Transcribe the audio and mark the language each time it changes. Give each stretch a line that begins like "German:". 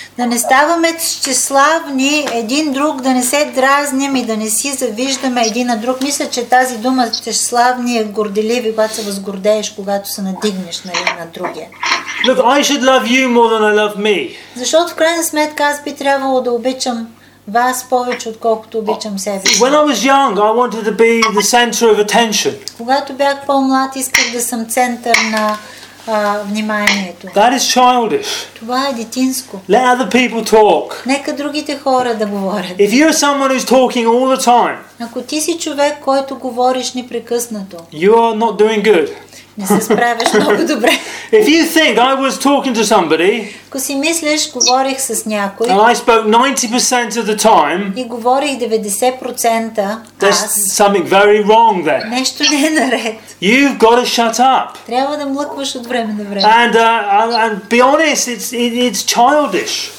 Bulgarian: Да не ставаме тщеславни един друг, да не се дразним и да не си завиждаме един на друг. Мисля, че тази дума тщеславни е горделиви, когато се възгордееш, когато се надигнеш на един на другия.
English: Look, I should love you more than I love me.
Bulgarian: Защото в крайна сметка аз би трябвало да обичам вас повече, отколкото обичам себе си.
English: When I was young, I wanted to be the center of attention.
Bulgarian: Когато бях по-млад, исках да съм център на вниманието.
English: That is childish.
Bulgarian: Това е детинско.
English: Let other people talk.
Bulgarian: Нека другите хора да говорят.
English: If you are someone who's talking all the time.
Bulgarian: Ако ти си човек, който говориш непрекъснато.
English: You are not doing good.
Bulgarian: Не се справиш много добре.
English: If you think I was talking to somebody,
Bulgarian: ако си мислиш, говорих с някой,
English: and I spoke 90% of the time,
Bulgarian: и говорих 90%,
English: there's something very wrong there.
Bulgarian: Нещо не е наред.
English: You've got to shut up.
Bulgarian: Трябва да млъкваш от време на време.
English: And be honest, it's childish.